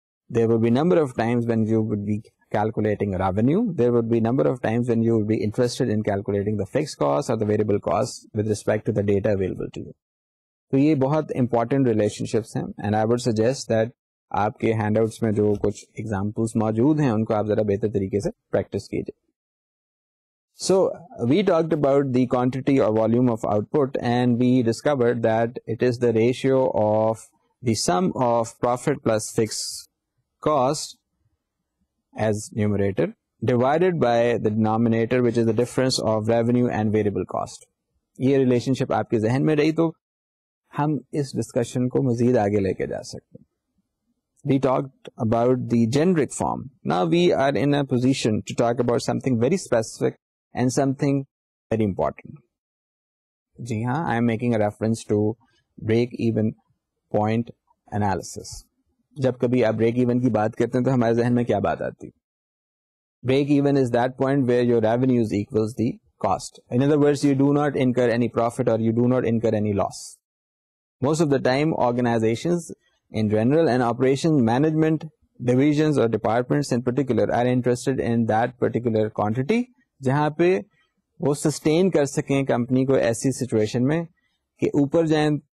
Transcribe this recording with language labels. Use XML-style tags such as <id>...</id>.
<en>There would be number of times when you would be calculating revenue. There would be number of times when you would be interested in calculating the fixed cost or the variable cost with respect to the data available to you.</en> <ur>تو یہ بہت important relation ships ہیں,</ur> <en>and I would suggest that</en> <ur>آپ کے hand outs میں جو کچھ examples موجود ہیں ان کو آپ ذرا بہتر طریقے سے پریکٹس کیجیے.</ur> <en>So we talked about the quantity اور volume of output, and we discovered that it is the ratio of the sum of profit plus fix cost as numerator divided by the denominator which is the difference of revenue and variable cost.</en> <ur>یہ relation شپ آپ کے ذہن میں رہی تو ہم اس discussion کو مزید آگے لے کے جا سکتے ہیں.</ur> <en>We talked about the generic form, now we are in a position to talk about something very specific and something very important.</en> <ur>جی ہاں,</ur> <en>I am making a reference to break even point analysis.</en> <ur>جب کبھی آپ</ur> <en>Break even کی بات کرتے ہیں تو ہمارے ذہن میں کیا بات آتی ہے؟ Break even is that point where your revenues equals the cost. In other words, you do not incur any profit or you do not incur any loss. Most of the time, organizations in general and operation management divisions or departments in particular are interested in that particular quantity</en> <ur>جہاں پہ وہ sustain کر سکیں company کو ایسی situation میں کہ اوپر جائیں</ur>